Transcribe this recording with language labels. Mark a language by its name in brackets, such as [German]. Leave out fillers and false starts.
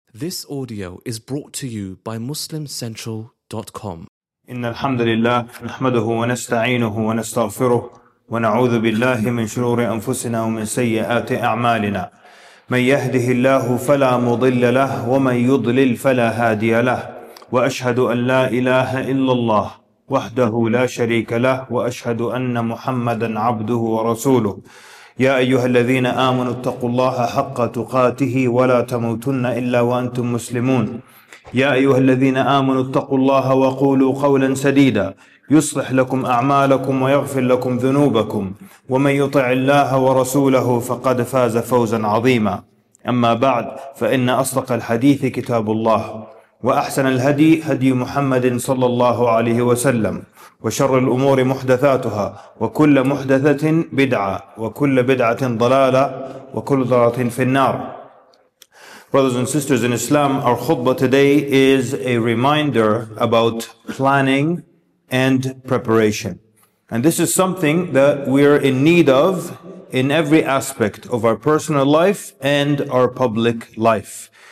[English] This audio is brought to you by MuslimCentral.com. [Arabic] إن الحمد لله نحمده ونستعينه ونستغفره ونعوذ بالله من شرور أنفسنا ومن سيئات أعمالنا. من يهده الله فلا مضل له ومن يضلل فلا هادي له. وأشهد أن لا إله إلا الله وحده لا شريك له وأشهد أن محمدا عبده ورسوله. يا أيها الذين آمنوا اتقوا الله حق تقاته ولا تموتن إلا وأنتم مسلمون. يا أيها الذين آمنوا اتقوا الله وقولوا قولا سديدا يصلح لكم أعمالكم ويغفر لكم ذنوبكم ومن يطع الله ورسوله فقد فاز فوزا عظيما. أما بعد فإن أصدق الحديث كتاب الله وأحسن الهدي هدي محمد صلى الله عليه وسلم وشر الأمور محدثاتها وكل محدثة بدعة وكل بدعة ضلالة وكل ضلالة في النار. [English] Brothers and sisters in Islam, our khutbah today is a reminder about planning and preparation. And this is something that we're in need of in every aspect of our personal life and our public life.